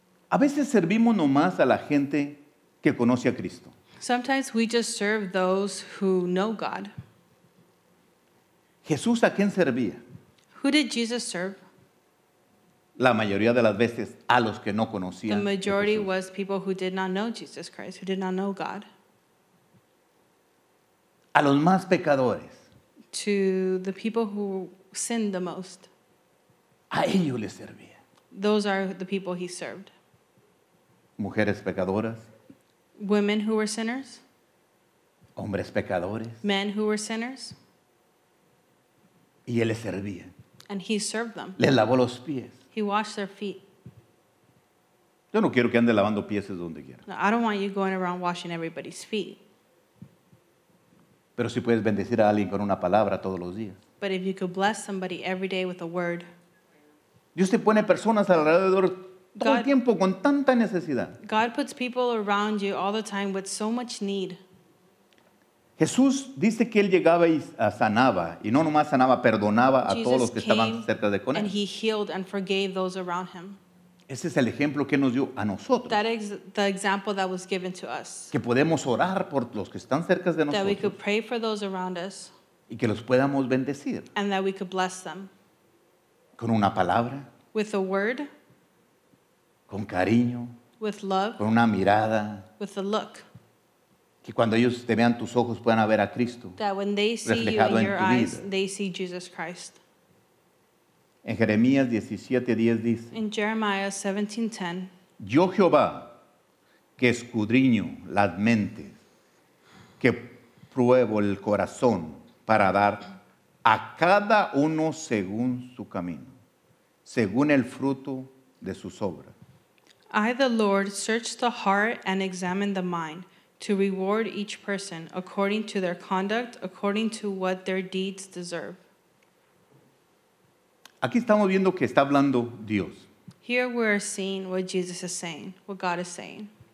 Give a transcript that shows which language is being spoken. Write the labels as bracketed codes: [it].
[es] A veces servimos nomás a la gente que conoce a Cristo. [en] Sometimes we just serve those who know God. [es] ¿Jesús a quién servía? [en] Who did Jesus serve? [es] La mayoría de las veces a los que no conocían a Jesús. [en] The majority was people who did not know Jesus Christ, who did not know God. [es] A los más pecadores. [en] To the people who sinned the most. [es] A ellos les servía. [en] Those are the people he served. [es] Mujeres pecadoras. [en] Women who were sinners. [es] Hombres pecadores. [en] Men who were sinners. [es] Y él les servía. [en] And he served them. [es] Les lavó los pies. [en] He washed their feet. [es] Yo no quiero que ande lavando pies donde quiera. [en] No, I don't want you going around washing everybody's feet. [es] Pero si puedes bendecir a alguien con una palabra todos los días. [en] But if you could bless somebody every day with a word. [es] Dios te pone personas alrededor God, todo el tiempo con tanta necesidad. [en] God puts people around you all the time with so much need. [es] Jesús dice que él llegaba y sanaba, y no nomás sanaba, perdonaba [en] Jesus [es] a todos los que estaban cerca de con él. [en] And he healed and forgave those around him. [es] Ese es el ejemplo que nos dio a nosotros. [en] That is the example that was given to us. [es] Que podemos orar por los que están cerca de nosotros. [en] That we could pray for those around us. [es] Y que los podamos bendecir. [en] And that we could bless them. [es] Con una palabra. [en] With a word. [es] Con cariño. [en] With love. [es] Con una mirada. [en] With a look. [es] Que cuando ellos te vean tus ojos puedan ver a Cristo. [en] That when they see [es] reflejado [en] you in your eyes, [es] vida. [en] They see Jesus Christ. [es] En Jeremías 17:10 dice, [en] in Jeremiah 17:10, [es] yo Jehová, que escudriño las mentes, que pruebo el corazón para dar a cada uno según su camino, según el fruto de sus obras. [en] I, the Lord, search the heart and examine the mind to reward each person according to their conduct, according to what their deeds deserve. [es] Aquí estamos viendo que está hablando Dios. [en] Here we're seeing what Jesus is saying, what God is saying.